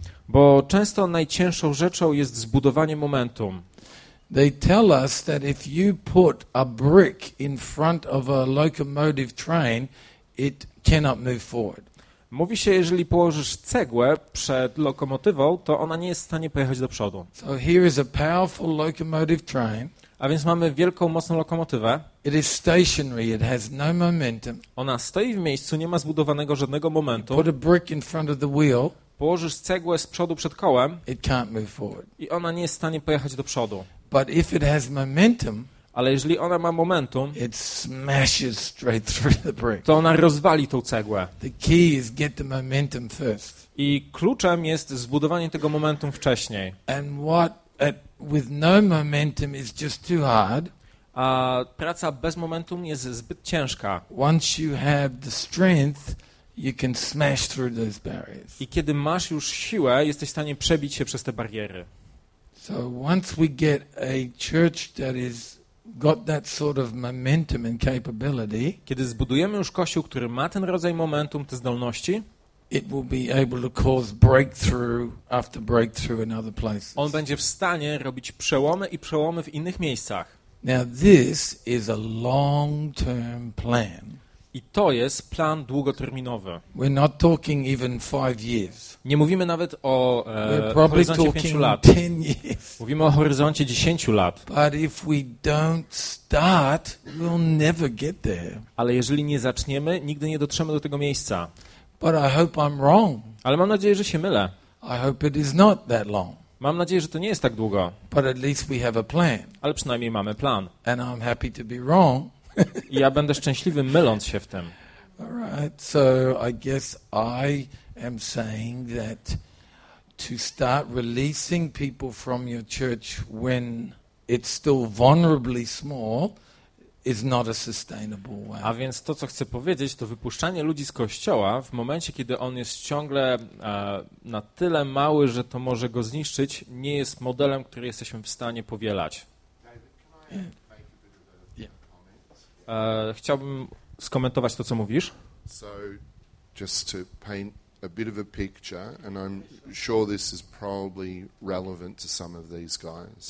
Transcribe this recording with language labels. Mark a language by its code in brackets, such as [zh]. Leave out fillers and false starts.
[pl] Bo często najcięższą rzeczą jest zbudowanie momentum. [en] They tell us that if you put a brick in front of a locomotive train, it cannot move forward. [pl] Mówi się, jeżeli położysz cegłę przed lokomotywą, to ona nie jest w stanie pojechać do przodu. [en] So here is a powerful locomotive train. [pl] A więc mamy wielką, mocną lokomotywę. [en] It is stationary, it has no momentum. [pl] Ona stoi w miejscu, nie ma zbudowanego żadnego momentu. [en] Put a brick in front of the wheel, [pl] położysz cegłę z przodu przed kołem, [en] it can't move forward. [pl] I ona nie jest w stanie pojechać do przodu. [en] But if it has momentum, [pl] ale jeżeli ona ma momentum, [en] it smashes straight through the brick. [pl] To ona rozwali tą cegłę. [en] The key is get the momentum first. [pl] I kluczem jest zbudowanie tego momentum wcześniej. [en] And what with no momentum is just too hard. [pl] A praca bez momentum jest zbyt ciężka. [en] Once you have the strength, you can smash through those barriers. [pl] I kiedy masz już siłę, jesteś w stanie przebić się przez te bariery. [en] So once we get a church that is got that sort of momentum and capability, [pl] kiedy zbudujemy już kościół, który ma ten rodzaj momentum, te zdolności, [en] it will be able to cause breakthrough after breakthrough in other places. [pl] On będzie w stanie robić przełomy i przełomy w innych miejscach. [en] Now this is a long-term plan. [pl] I to jest plan długoterminowy. [en] We're not talking even 5 years. [pl] Nie mówimy nawet o horyzoncie 5 lat. [en] 10 years. [pl] Mówimy o horyzoncie 10 lat. [en] But if we don't start, we'll never get there. [pl] Ale jeżeli nie zaczniemy, nigdy nie dotrzemy do tego miejsca. [en] But I hope I'm wrong. [pl] Ale mam nadzieję, że się mylę. [en] I hope it is not that long. [pl] Mam nadzieję, że to nie jest tak długo. [en] But at least we have a plan. [pl] Ale przynajmniej mamy plan. [en] And I'm happy to be wrong. [pl] I ja będę szczęśliwy, myląc się w tym. [en] All right. So I guess I am saying that to start releasing people from your church when it's still vulnerably small is not a sustainable way. [pl] A więc to, co chcę powiedzieć, to wypuszczanie ludzi z kościoła w momencie, kiedy on jest ciągle na tyle mały, że to może go zniszczyć, nie jest modelem, który jesteśmy w stanie powielać. Chciałbym skomentować to, co mówisz. [en] So, just to paint a bit of a picture, and I'm sure this is probably relevant to some of these guys.